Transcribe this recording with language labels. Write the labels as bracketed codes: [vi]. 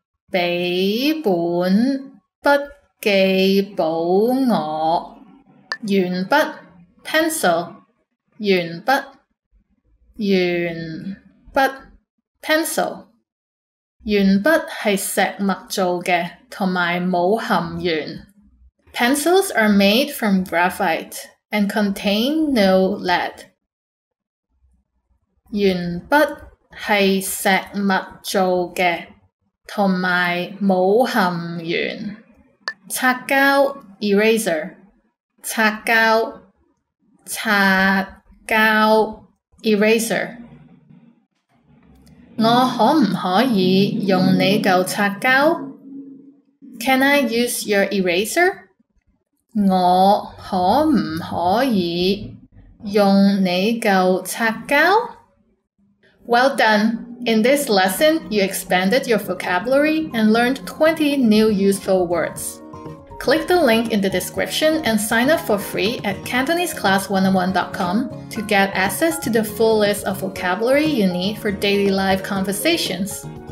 [yue] 俾本笔记簿我。铅笔 [en] pencil. [yue] 铅笔铅笔 [en] pencil. [yue] 铅笔系石墨做嘅，同埋冇含铅。 [en] Pencils are made from graphite and contain no lead. [yue] 铅笔是石墨做的同埋冇含铅擦胶 eraser 擦胶擦胶 [en] eraser [yue] 我可唔可以用你嚿擦胶 [en] Can I use your eraser [yue] 我可唔可以用你嚿擦胶 [en] Well done! In this lesson, you expanded your vocabulary and learned 20 new useful words. Click the link in the description and sign up for free at CantoneseClass101.com to get access to the full list of vocabulary you need for daily live conversations.